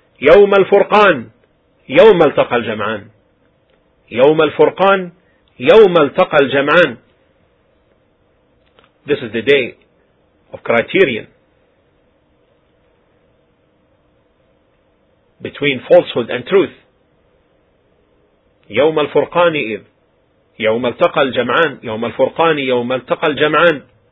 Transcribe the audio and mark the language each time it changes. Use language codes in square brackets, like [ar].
[ar] يوم الفرقان يوم التقى الجمعان يوم الفرقان يوم التقى الجمعان. [en] This is the day of criterion between falsehood and truth. [ar] يوم الفرقان إذ يوم التقى الجمعان يوم الفرقان يوم التقى الجمعان.